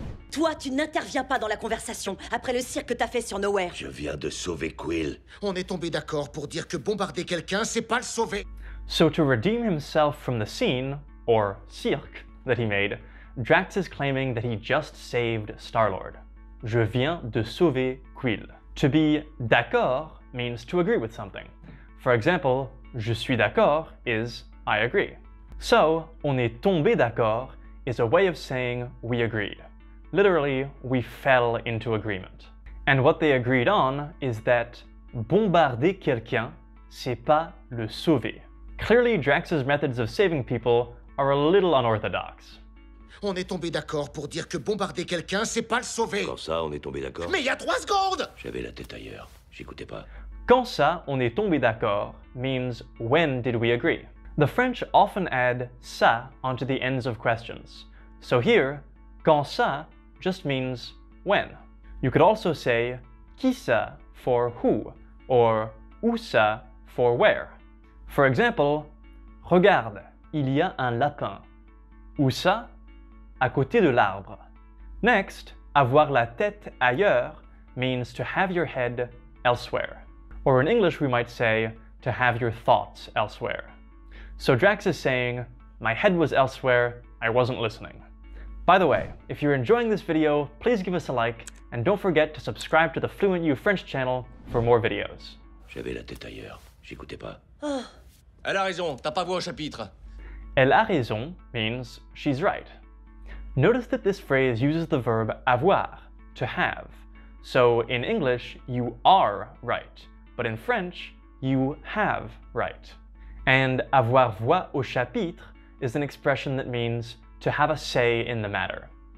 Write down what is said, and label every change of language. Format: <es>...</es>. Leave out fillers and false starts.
<fr>Toi, tu n'interviens pas dans la conversation après le cirque que t'as fait sur Nowhere. Je viens de sauver Quill. On est tombé d'accord pour dire que bombarder quelqu'un, c'est pas le sauver.</fr> <en>So to redeem himself from the scene, or cirque, that he made, Drax is claiming that he just saved Star-Lord.</en> <fr>Je viens de sauver Quill.</fr> <en>To be d'accord means to agree with something. For example,</en> <fr>je suis d'accord</fr> <en>is I agree. So,</en> <fr>on est tombé d'accord</fr> <en>is a way of saying we agreed. Literally, we fell into agreement. And what they agreed on is that</en> <fr>bombarder quelqu'un, c'est pas le sauver.</fr> <en>Clearly, Drax's methods of saving people are a little unorthodox.</en> <fr>On est tombé d'accord pour dire que bombarder quelqu'un, c'est pas le sauver. Quand ça, on est tombé d'accord. Mais il y a trois secondes! J'avais la tête ailleurs, j'écoutais pas. Quand ça, on est tombé d'accord</fr> <en>means when did we agree? The French often add ça onto the ends of questions. So here,</en> <fr>quand ça</fr> <en>just means when. You could also say</en> <fr>qui ça</fr> <en>for who, or</en> <fr>où ça</fr> <en>for where. For example,</en> <fr>regarde, il y a un lapin. Où ça? À côté de l'arbre.</fr> <en>Next, avoir la tête ailleurs means to have your head elsewhere. Or in English we might say, to have your thoughts elsewhere. So Drax is saying, my head was elsewhere, I wasn't listening. By the way, if you're enjoying this video, please give us a like, and don't forget to subscribe to the FluentU French channel for more videos.</en> <fr>J'avais la tête ailleurs, j'écoutais pas. Elle a raison, t'as pas vu au chapitre.</fr> <en>Elle a raison means she's right. Notice that this phrase uses the verb avoir, to have. So in English, you are right, but in French, you have right. And</en> <fr>avoir voix au chapitre</fr> <en>is an expression that means to have a say in the matter.</en>